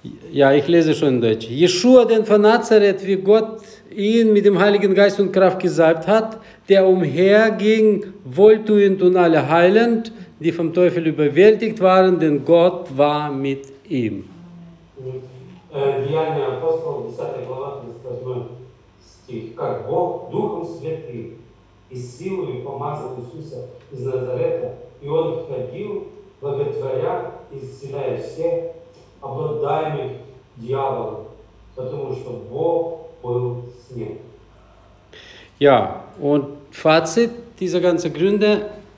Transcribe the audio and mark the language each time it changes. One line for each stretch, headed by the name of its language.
German: Ja, ich lese schon in Deutsch. Yeshua, denn von Nazareth, wie Gott ihn mit dem Heiligen Geist und Kraft gesalbt hat, der umherging, wohltuend und alle heilend, die vom Teufel überwältigt waren, denn Gott war mit ihm. Deuteronomium 10,
Russian: как Бог Духом Святым и силою помазал Иисуса из Назарета, и Он ходил, благотворя и исцеляя всех обладаемых дьяволом, потому что Бог был с ним.
German: Ja, und Fazit dieser ganzen Gründe.